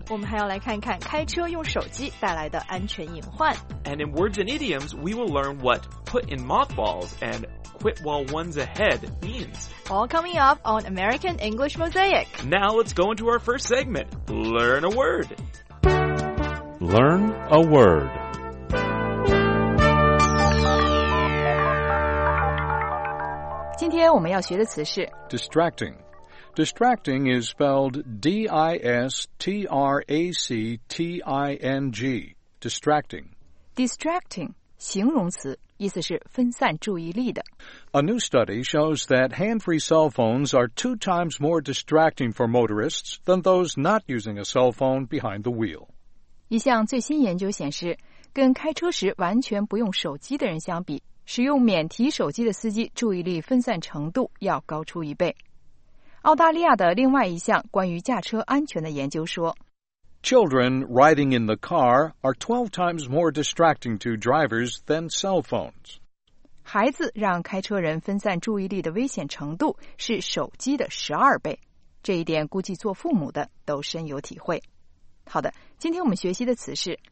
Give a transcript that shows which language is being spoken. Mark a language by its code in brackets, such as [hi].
[zh] 我们还要来看看开车用手机带来的安全隐患。 [en] And in words and idioms, we will learn what put in mothballs and quit while one's ahead means. All coming up on American English Mosaic. Now let's go into our first segment, Learn a Word. Learn a Word. [zh] 今天我们要学的词是 [en] distracting. Distracting is spelled D-I-S-T-R-A-C-T-I-N-G. Distracting. [zh] Distracting, 形容词，意思是分散注意力的。 [en] A new study shows that hand-free cell phones are 2 times more distracting for motorists than those not using a cell phone behind the wheel. [zh] 一项最新研究显示，跟开车时完全不用手机的人相比，使用免提手机的司机注意力分散程度要高出一倍。澳大利亚的另外一项关于驾车安全的研究说， [en] Children riding in the car are 12 times more distracting to drivers than cell phones. [zh] 孩子让开车人分散注意力的危险程度是手机的12倍。这一点估计做父母的都深有体会。好的，今天我们学习的词是